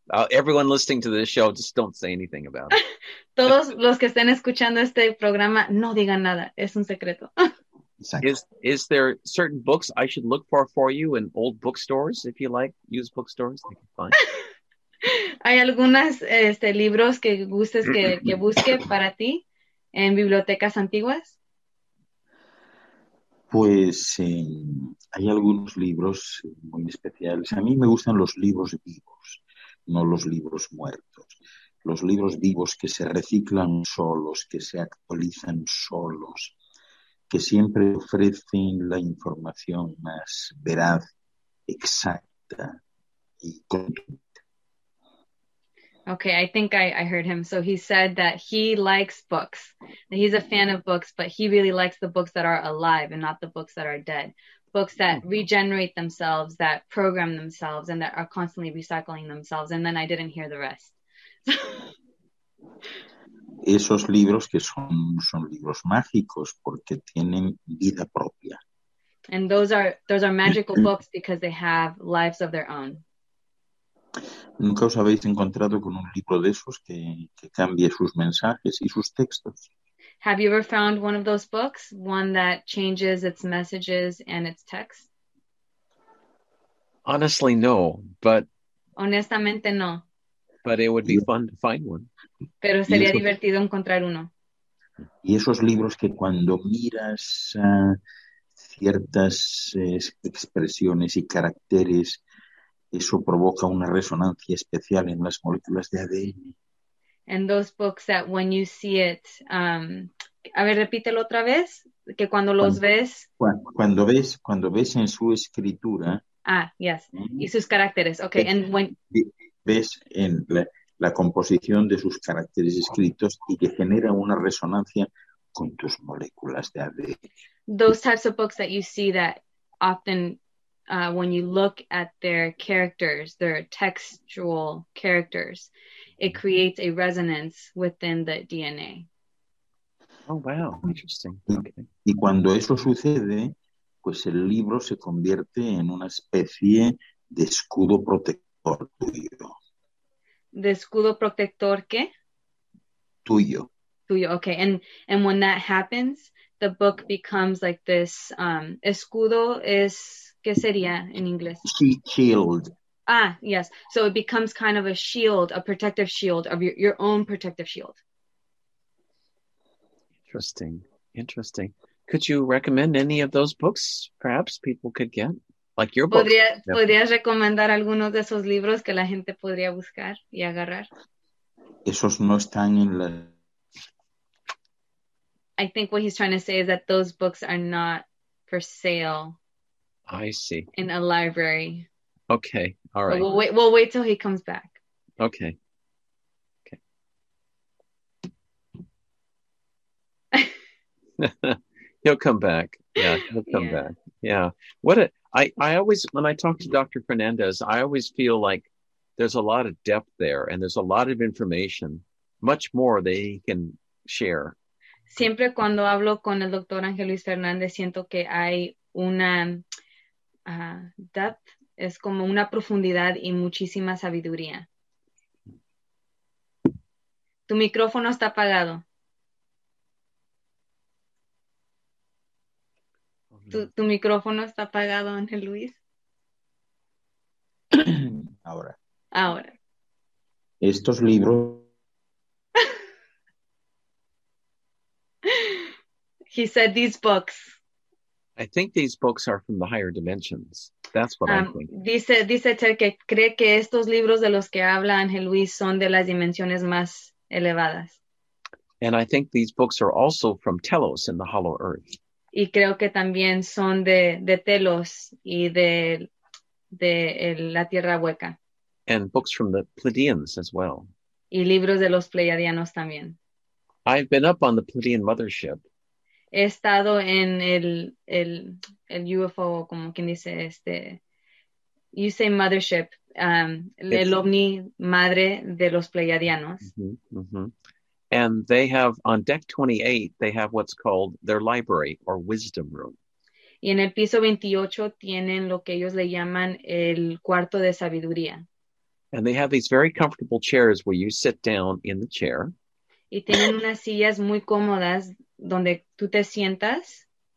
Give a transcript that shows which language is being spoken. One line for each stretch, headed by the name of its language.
English: Everyone listening to this show, just don't say anything about it.
Spanish: Todos los que estén escuchando este programa, no digan nada. Es un secreto.
English: Exactly. Is there certain books I should look for you in old bookstores, if you like? Use bookstores. They can find.
Spanish: ¿Hay algunos libros que gustes que busque para ti en bibliotecas antiguas? Pues hay algunos libros muy especiales. A mí me gustan los libros vivos, no los libros muertos. Los libros vivos que se reciclan solos, que se actualizan solos, que siempre ofrecen la información más veraz, exacta y contundente.
English: Okay, I think I heard him. So he said that he likes books. He's a fan of books, but he really likes the books that are alive and not the books that are dead. Books that regenerate themselves, that program themselves, and that are constantly recycling themselves. And then I didn't hear the rest.
Spanish: Esos libros que son libros mágicos porque tienen vida propia.
English: And those are magical books because they have lives of their own.
Spanish: ¿Nunca os habéis encontrado con un libro de esos que cambie sus mensajes y sus textos?
English: Have you ever found one of those books, one that changes its messages and its text? Honestly, no, but...
Spanish: Honestamente, no.
English: But it would be fun to find one.
Spanish: Pero sería divertido encontrar uno. Y esos libros que cuando miras ciertas expresiones y caracteres, eso provoca una resonancia especial en las moléculas de ADN.
English: And those books that when you see it,
Spanish: a ver, repítelo otra vez, que cuando los ves... Cuando ves en su escritura...
English: Ah, yes,
Spanish: y sus caracteres,
English: okay. And when
Spanish: ves en la composición de sus caracteres escritos y que genera una resonancia con tus moléculas de ADN.
English: Those types of books that you see that often, when you look at their characters, their textual characters, it creates a resonance within the DNA. Oh, wow, interesting.
Spanish: Y cuando eso sucede, pues el libro se convierte en una especie de escudo protector tuyo. ¿De escudo protector qué? Tuyo.
English: Tuyo, okay. And when that happens, the book becomes like this,
Spanish: escudo es, ¿qué sería en inglés?
English: Shield. Ah, yes. So it becomes kind of a shield, a protective shield of your own protective shield. Interesting. Interesting. Could you recommend any of those books, perhaps people could get, like your books?
Spanish: ¿Podrías recomendar algunos de esos libros que la gente podría buscar y agarrar? Esos no están en la...
English: I think what he's trying to say is that those books are not for sale. I see. In a library. Okay, all right. We'll wait till he comes back. Okay. Okay. He'll come back. Yeah, he'll come back. Yeah. I always, when I talk to Dr. Fernandez, I always feel like there's a lot of depth there and there's a lot of information, much more that he can share.
Spanish: Siempre cuando hablo con el Dr. Ángel Luis Fernández, siento que hay una depth, es como una profundidad y muchísima sabiduría. Tu micrófono está apagado. ¿Tu micrófono está apagado, Ángel Luis? Ahora. Estos libros...
English: He said these books. I think these books are from the higher dimensions. That's what I think.
Spanish: Dice Ted que cree que estos libros de los que habla Ángel Luis son de las dimensiones más elevadas.
English: And I think these books are also from Telos in the Hollow Earth.
Spanish: Y creo que también son de Telos y de la Tierra Hueca.
English: And books from the Pleiadians as well.
Spanish: Y libros de los Pleiadianos también.
English: I've been up on the Pleiadian mothership.
Spanish: He estado en el UFO, como quien dice,
English: you say mothership,
Spanish: el ovni madre de los Pleiadianos. Mm-hmm, mm-hmm.
English: And they have, on deck 28, they have what's called their library or wisdom room.
Spanish: Y en el piso 28 tienen lo que ellos le llaman el cuarto de sabiduría.
English: And they have these very comfortable chairs where you sit down in the chair.
Spanish: Y tienen unas sillas muy cómodas donde tú te sientas.